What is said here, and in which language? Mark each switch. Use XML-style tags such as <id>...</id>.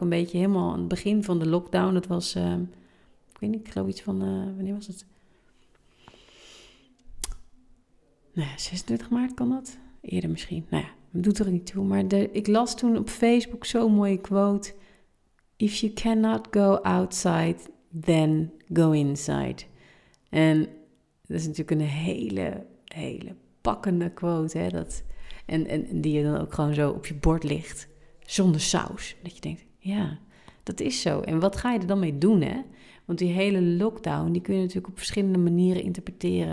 <nl>Een beetje helemaal aan het begin van de lockdown. Dat was, wanneer was het? 26 maart kan dat? Eerder misschien. Doet er niet toe. Maar ik las toen op Facebook zo'n mooie quote.</nl> <en>If you cannot go outside, then go inside.</en> <nl>En dat is natuurlijk een hele, hele pakkende quote. Hè? En die je dan ook gewoon zo op je bord ligt. Zonder saus. Dat je denkt, ja, dat is zo. En wat ga je er dan mee doen, hè? Want die hele lockdown, die kun je natuurlijk op verschillende manieren interpreteren.</nl>